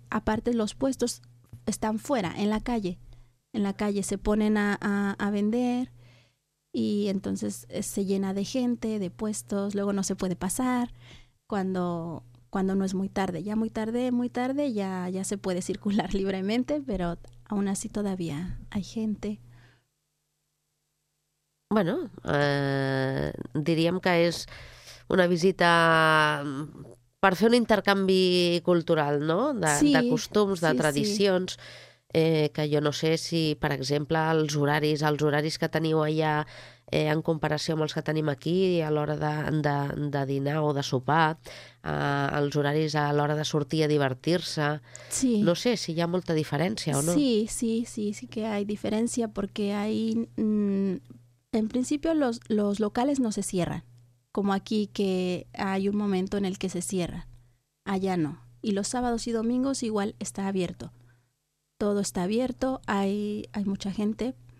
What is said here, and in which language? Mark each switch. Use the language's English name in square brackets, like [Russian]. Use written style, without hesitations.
[Spanish] Aparte, los puestos están fuera, en la calle. En la calle se ponen a vender y entonces se llena de gente, de puestos. Luego no se puede pasar cuando no es muy tarde. Ya muy tarde, ya se puede circular libremente, pero aún así todavía hay gente. [Catalan] Bueno, diríem que és una visita per fer un intercanvi cultural, no? De costums, de tradicions. Sí. Que jo no sé si, per exemple, els horaris que teniu allà en comparació amb els que tenim aquí a l'hora de dinar o de sopar, els horaris a l'hora de sortir a divertir-se. Sí. No sé si hi ha molta diferència o no. [Spanish] Sí que hay diferencia porque hay... en principio los locales no se cierran, como aquí que hay un momento en el que se cierran, allá no. Y los sábados y domingos igual está abierto, todo está abierto, hay mucha gente.